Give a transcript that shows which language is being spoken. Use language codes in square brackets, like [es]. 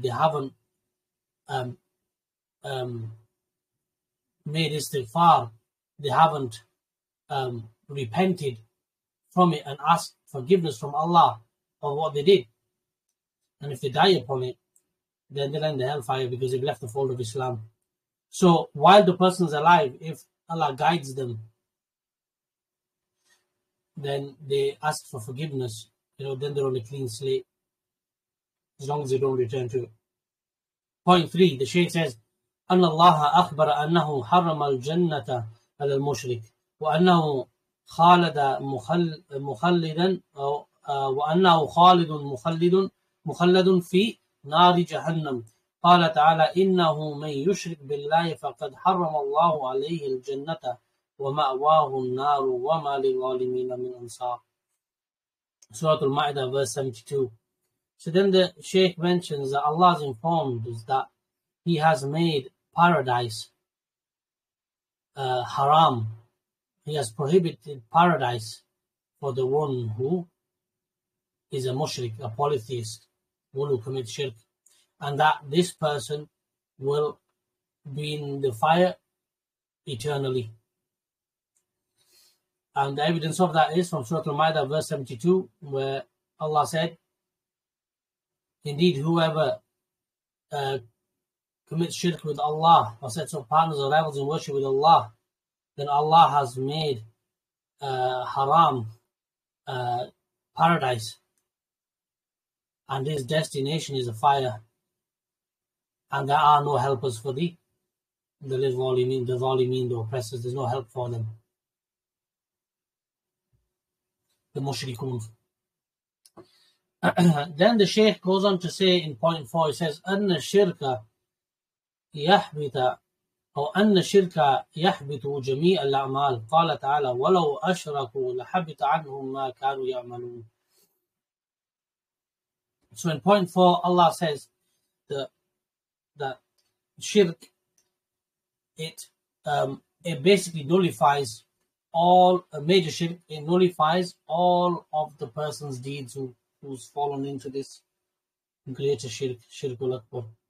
[en] they haven't made istighfar, they haven't repented from it and asked forgiveness from Allah of what they did, and if they die upon it, then they're in the hellfire because they've left the fold of Islam. So while the person's alive, if Allah guides them, then they ask for forgiveness, you know, then they're on a clean slate, as long as they don't return to it. Point three, the Shaykh says, [ar] أن الله أخبر أنه حرم الجنة على المشرك وأنه خالد مخلدا وأنه خالد مخلد مخلد في نار جهنم قال تعالى إنه من يشرك بالله فقد حرم الله عليه الجنة ومأواه النار وما للظالمين من أنصار. سورة المائدة [en] verse 72. So then the Shaykh mentions that Allah has informed us that He has made paradise haram. He has prohibited paradise for the one who is a mushrik, a polytheist, one who commits shirk. And that this person will be in the fire eternally. And the evidence of that is from Surah Al-Ma'idah verse 72, where Allah said, indeed, whoever commits shirk with Allah or sets up partners or rivals in worship with Allah, then Allah has made haram paradise, and his destination is a fire, and there are no helpers for the oppressors. There's no help for them, the mushrikun. Then the Shaykh goes on to say in point four, he says, [ar] أَنَّ الشِّرْكَ يَحْبِتَ أو أن الشرك يحبط جميع الأعمال قال تعالى ولو أشركوا لحبط عنهم ما كانوا يعملون. [en] So in point four, Allah says that shirk, it basically nullifies all, a major shirk, it nullifies all of the person's deeds who's fallen into this greater shirk, shirkul akbar.